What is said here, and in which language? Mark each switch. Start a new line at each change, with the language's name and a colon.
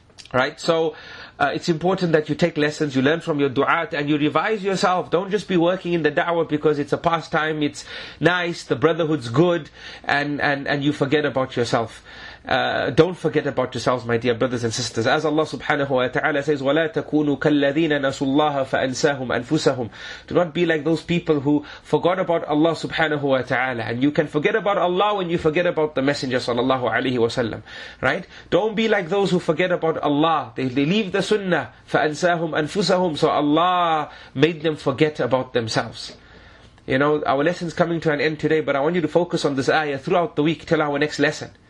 English: Right, so it's important that you take lessons, you learn from your du'at, and you revise yourself. Don't just be working in the da'wah because it's a pastime, it's nice, the brotherhood's good, and you forget about yourself. Don't forget about yourselves, my dear brothers and sisters. As Allah subhanahu wa ta'ala says,
Arabic: وَلَا تَكُونُوا كَالَّذِينَ نَسُوا اللَّهَ فَأَنْسَاهُمْ أَنفُسَهُمْ.
English: Do not be like those people who forgot about Allah subhanahu wa ta'ala. And you can forget about Allah when you forget about the Messenger sallallahu alayhi wa sallam. Right? Don't be like those who forget about Allah. They leave the sunnah.
Arabic: فَأَنْسَاهُمْ أَنفُسَهُمْ.
English: So Allah made them forget about themselves. You know, our lesson's coming to an end today, but I want you to focus on this ayah throughout the week till our next lesson.